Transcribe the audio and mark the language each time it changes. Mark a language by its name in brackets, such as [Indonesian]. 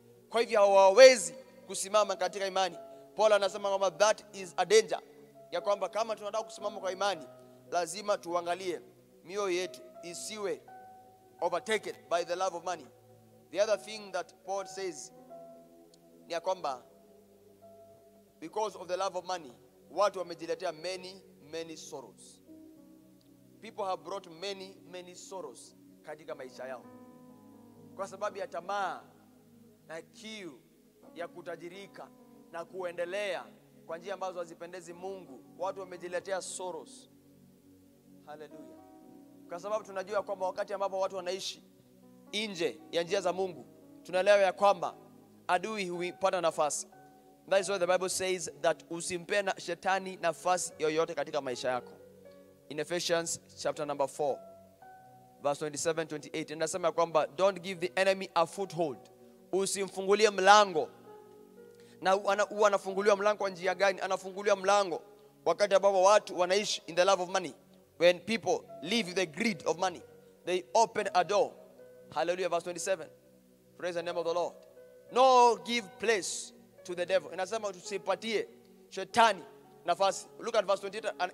[Swahili] Kwa hivyo hawawezi kusimama katika imani. Paul anasema kwamba [English] that is a danger. [Swahili] Ya kwamba kama tunataka kusimama kwa imani, lazima tuangalie mioyo yetu isiwe [English] overtaken by the love of money. The other thing that Paul says [Swahili] ni ya kwamba, [English] because of the love of money, [Swahili] watu wamejiletea [English] many, many sorrows. People have brought many, many sorrows [Swahili] katika maisha yao. Kwa sababu ya tamaa na kiu ya kutajirika na kuendelea kwa njia ambazo hazipendezi Mungu, watu wamejiletea sorrows. Hallelujah. Kwa sababu tunajua kwamba wakati ambapo watu wanaishi nje ya njia za Mungu, tunaelewa ya kwamba adui huipata nafasi. [English] That is why the Bible says that [Swahili] usimpe na shetani nafasi yoyote katika maisha yako. [English] In Ephesians chapter number 4, verse 27-28, [Swahili] inasema kwamba, [English] don't give the enemy a foothold. [Swahili] Usimfungulie mlango. Na anafunguliwa mlango kwa njia gani? Anafunguliwa mlango wakati ambapo watu wanaishi [English] in the love of money. When people live the greed of money, they open a door. Hallelujah, verse 27. Praise the name of the Lord. No, give place to the devil. [Swahili] Inasema tusipatie shetani nafasi. [English] Look at verse 28.